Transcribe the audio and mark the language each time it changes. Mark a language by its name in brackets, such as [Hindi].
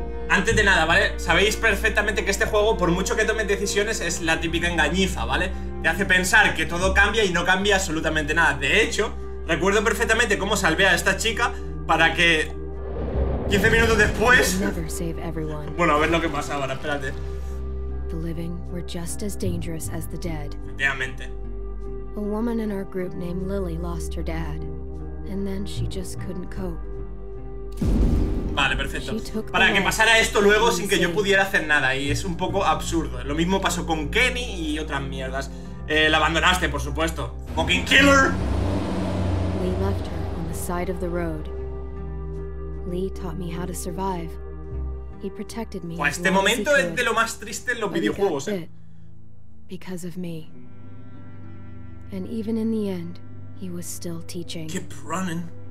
[Spanish] Antes de nada, ¿vale? Sabéis perfectamente que este juego, por mucho que tomes decisiones, es la típica engañifa, ¿vale? Te hace pensar que todo cambia y no cambia absolutamente nada. De hecho, recuerdo perfectamente cómo salvé a esta chica para que 15 minutos después... Bueno, a ver lo que pasa ahora, espérate. [English] The living were just as dangerous as the dead. [Spanish] Efectivamente. [English] A woman in our group named Lily lost her dad, and then she just couldn't cope. [Spanish] Vale, perfecto. Para que pasara esto luego sin que yo pudiera hacer nada. Y es un poco absurdo. Lo mismo pasó con Kenny y otras mierdas. La abandonaste, por supuesto. [English] Fucking killer. Lee left her on the side of the road. Lee taught me how to survive. He protected me. [Spanish] Este momento es de lo más triste en los videojuegos, [English] because of me. And even in the end, he was still teaching. Keep running.